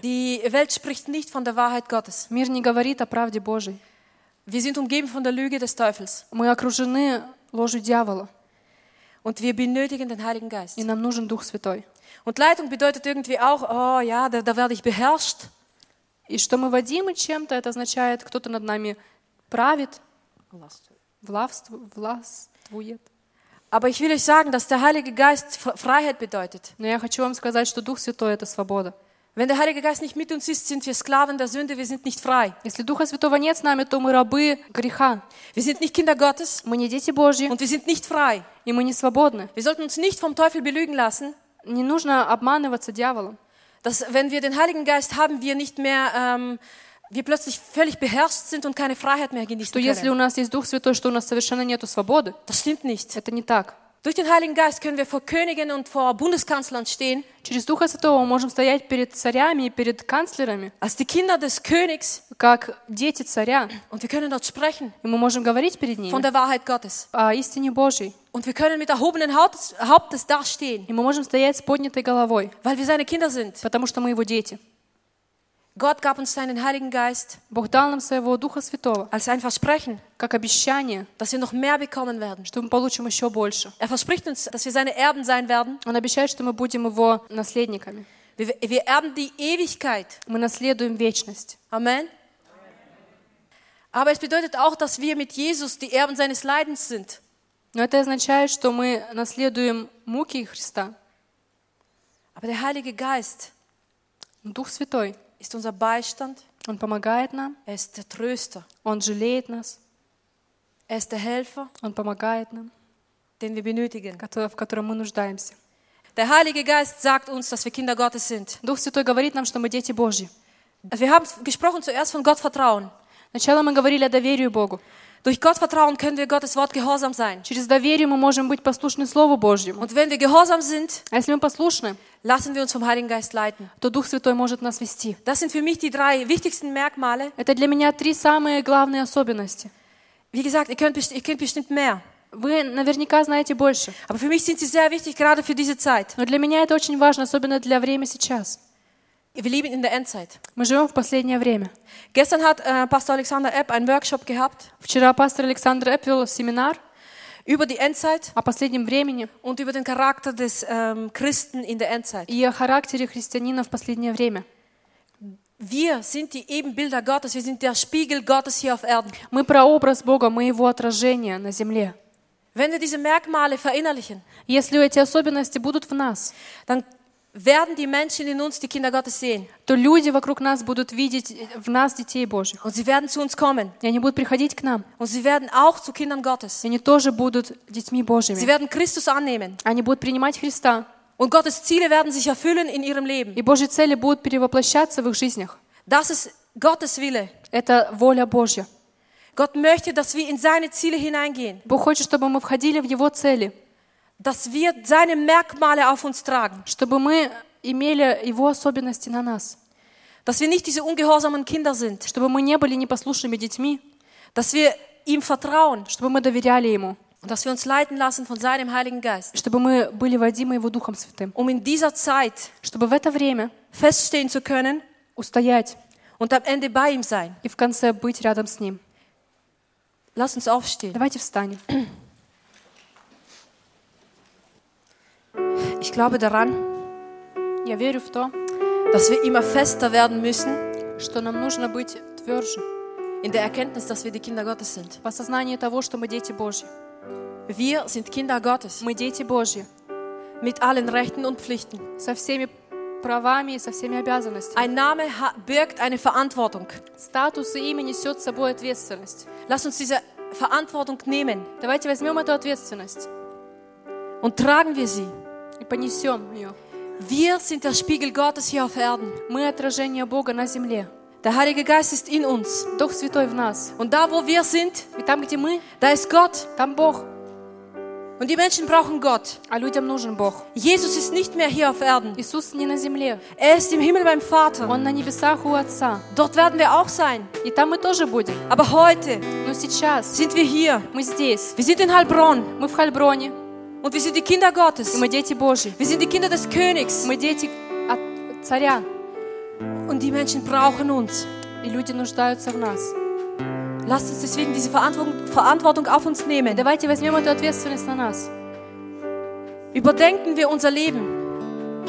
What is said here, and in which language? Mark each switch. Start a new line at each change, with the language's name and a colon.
German: Die Welt spricht nicht von der Wahrheit Gottes.
Russian: Мир не говорит о правде Божьей.
German: Wir sind umgeben von der Lüge des Teufels.
Russian: Мы окружены ложью дьявола.
German: Und wir benötigen den Heiligen Geist.
Russian: И нам нужен Дух Святой.
German: Und Leitung bedeutet irgendwie auch, oh ja, da werde ich beherrscht.
Russian: И что мы водимы чем-то, это означает, кто-то над нами правит, властвует.
German: Aber ich will euch sagen, dass der Heilige Geist Freiheit bedeutet.
Russian: Но я хочу вам сказать, что Дух Святой – это свобода.
German: Wenn der Heilige Geist nicht mit uns ist, sind wir Sklaven der Sünde, wir sind nicht frei.
Russian: Если Духа Святого нет с нами, то мы рабы греха.
German: Wir sind nicht Kinder Gottes.
Russian: Мы не дети Божьи.
German: Und wir sind nicht frei.
Russian: И мы не свободны.
German: Wir sollten uns nicht vom Teufel belügen lassen.
Russian: Не нужно обманываться дьяволом.
German: Dass wenn wir den Heiligen Geist haben, wir nicht mehr wir plötzlich völlig beherrscht sind und keine Freiheit mehr genießen können.
Russian: Если у нас есть Дух Святой, что у нас совершенно нету свободы.
German: Das stimmt nicht.
Russian: Это не так.
German: Durch den Heiligen Geist können wir vor Königen und vor Bundeskanzlern stehen.
Russian: Через Духа Святого мы можем стоять перед царями и перед канцлерами.
German: Als die Kinder des Königs.
Russian: Как дети царя.
German: Und wir können dort sprechen.
Russian: И мы можем говорить перед ними.
German: Von der Wahrheit Gottes.
Russian: О истине Божьей.
German: Und wir können mit erhobenen Hauptes dastehen.
Russian: И мы можем стоять с поднятой головой.
German: Weil wir seine Kinder sind.
Russian: Потому что мы его дети.
German: Gott gab uns seinen Heiligen Geist.
Russian: Бог дал нам своего Духа Святого.
German: Als ein Versprechen.
Russian: Как обещание.
German: Dass wir noch mehr bekommen werden.
Russian: Что мы получим еще больше.
German: Er verspricht uns, dass wir seine Erben sein werden.
Russian: Он обещает, что мы будем его наследниками.
German: Wir erben die Ewigkeit.
Russian: Мы наследуем вечность.
German: Amen. Aber es bedeutet auch, dass wir mit Jesus die Erben seines Leidens sind.
Russian: Но это означает, что мы наследуем муки Христа.
German: Aber der Heilige Geist.
Russian: Дух Святой.
German: Ist unser Beistand.
Russian: Он помогает нам.
German: Er ist der Tröster.
Russian: Он жалеет нас.
German: Er ist der Helfer.
Russian: Он помогает нам.
German: Den wir benötigen.
Russian: В котором мы нуждаемся.
German: Der Heilige Geist sagt uns, dass wir Kinder Gottes sind.
Russian: Дух Святой говорит нам, что мы дети Божьи.
German: Wir haben gesprochen zuerst von Gottvertrauen.
Russian: Сначала мы говорили о доверии Богу.
German: Durch Gottvertrauen können wir Gottes Wort gehorsam sein.
Russian: Через доверие мы можем быть послушны Слову Божьему.
German: Und wenn wir gehorsam sind,
Russian: а если мы послушны,
German: lassen wir uns vom Heiligen Geist leiten.
Russian: То Дух Святой может нас вести.
German: Das sind für mich die drei wichtigsten Merkmale.
Russian: Это для меня три самые главные особенности.
German: Wie gesagt, ihr könnt bestimmt mehr.
Russian: Вы наверняка знаете больше.
German: Aber für mich sind sie sehr wichtig, gerade für diese Zeit.
Russian: Но для меня это очень важно, особенно для времени сейчас.
German: Wir leben in der Endzeit.
Russian: Мы живем в последнее время.
German: Gestern hat Pastor Alexander Epp einen Workshop gehabt.
Russian: Вчера пастор Александр Эпп вел семинар.
German: Über die Endzeit.
Russian: О последнем времени.
German: Und über den Charakter des Christen in der Endzeit.
Russian: И о характере христианина в последнее время.
German: Wir sind die Ebenbilder Gottes. Wir sind der Spiegel Gottes hier auf Erden.
Russian: Мы прообраз Бога, мы его отражение на земле.
German: Wenn wir diese Merkmale verinnerlichen.
Russian: Если эти особенности будут в нас.
German: Dann werden die Menschen in uns die Kinder Gottes sehen.
Russian: То люди вокруг нас будут видеть в нас детей Божьих.
German: Und sie werden zu uns kommen.
Russian: И они будут приходить к нам.
German: Und sie werden auch zu Kindern Gottes.
Russian: И они тоже будут детьми Божьими.
German: Sie werden Christus annehmen.
Russian: Они будут принимать Христа.
German: Und Gottes Ziele werden sich erfüllen in ihrem Leben.
Russian: И Божьи цели будут перевоплощаться в их жизнях.
German: Das ist Gottes Wille.
Russian: Это воля Божья.
German: Gott möchte, dass wir in seine Ziele hineingehen.
Russian: Бог хочет, чтобы мы входили в его цели.
German: Dass wir seine Merkmale auf uns tragen.
Russian: Чтобы мы имели его особенности на нас.
German: Dass wir nicht diese ungehorsamen Kinder sind.
Russian: Чтобы мы не были непослушными детьми.
German: Dass wir ihm vertrauen.
Russian: Чтобы мы доверяли ему.
German: Und dass wir uns leiten lassen von seinem Heiligen Geist.
Russian: Чтобы мы были водимы его Духом Святым.
German: Um in dieser Zeit.
Russian: Чтобы в это время.
German: Feststehen zu können.
Russian: Устоять.
German: Und am Ende bei ihm sein.
Russian: И в конце быть рядом с ним.
German: Lass uns aufstehen.
Russian: Давайте встанем.
German: Ich glaube daran,
Russian: я верю в то,
German: dass wir immer fester werden müssen,
Russian: что нам нужно быть твёрже.
German: In der Erkenntnis, dass wir die Kinder Gottes sind.
Russian: В осознании того, что мы дети Божьи.
German: Wir sind Kinder Gottes.
Russian: Мы дети Божьи.
German: Mit allen Rechten und Pflichten.
Russian: Со всеми правами и со всеми обязанностями.
German: Ein Name birgt eine Verantwortung.
Russian: Статус и имя несёт с собой ответственность.
German: Lass uns diese Verantwortung nehmen.
Russian: Давайте возьмём эту ответственность.
German: Und tragen wir sie.
Russian: И понесём её.
German: Wir sind der Spiegel Gottes hier auf Erden.
Russian: Мы отражение Бога на земле.
German: Der Heilige Geist ist in uns.
Russian: Дух Святой в нас.
German: Und da wo wir sind,
Russian: и там где мы,
German: da ist Gott.
Russian: Там Бог.
German: Und die Menschen brauchen Gott.
Russian: А людям нужен Бог.
German: Jesus ist nicht mehr hier auf Erden.
Russian: Иисус не на земле.
German: Er ist im Himmel beim Vater.
Russian: Он на небесах у Отца.
German: Dort werden wir auch sein.
Russian: И там мы тоже будем.
German: Aber heute,
Russian: но сейчас,
German: sind wir hier.
Russian: Мы здесь.
German: Wir sind in Heilbronn.
Russian: Мы в Хальброне.
German: Und wir sind die Kinder Gottes.
Russian: И мы дети Божьи.
German: Wir sind die Kinder des Königs.
Russian: Мы дети от царя.
German: Und die Menschen brauchen uns.
Russian: И люди нуждаются в нас.
German: Lasst uns deswegen diese Verantwortung auf uns nehmen.
Russian: Давайте возьмем эту ответственность на нас.
German: Überdenken wir unser Leben.